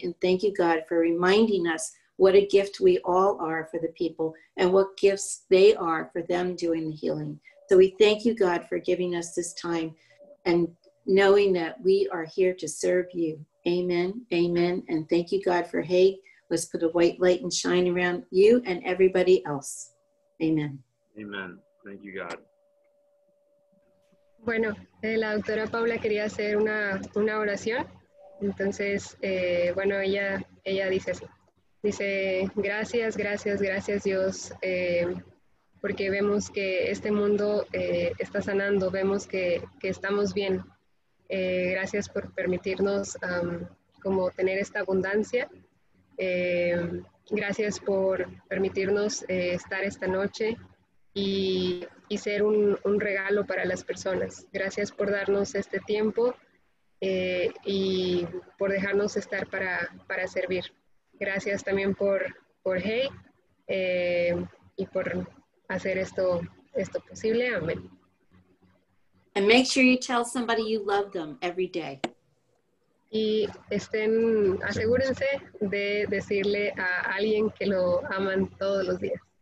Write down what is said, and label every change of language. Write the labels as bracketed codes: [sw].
[en] And thank you, God, for reminding us what a gift we all are for the people and what gifts they are for them doing the healing. So we thank you, God, for giving us this time and knowing that we are here to serve you. Amen, amen. And thank you, God, for Hague. Let's put a white light and shine around you and everybody else. Amen. Amen. Thank you, God. [es] Bueno, la doctora Paula quería hacer una oración. Entonces, bueno, ella dice así. Dice, gracias, gracias, gracias Dios, porque vemos que este mundo está sanando, vemos que estamos bien. Gracias por permitirnos como tener esta abundancia. Gracias por permitirnos estar esta noche y ser un regalo para las personas. Gracias por darnos este tiempo y por dejarnos estar para servir. Gracias también por Hey y por hacer esto posible. Amén. [en] And make sure you tell somebody you love them every day. [es] Y asegúrense de decirle a alguien que lo aman todos los días.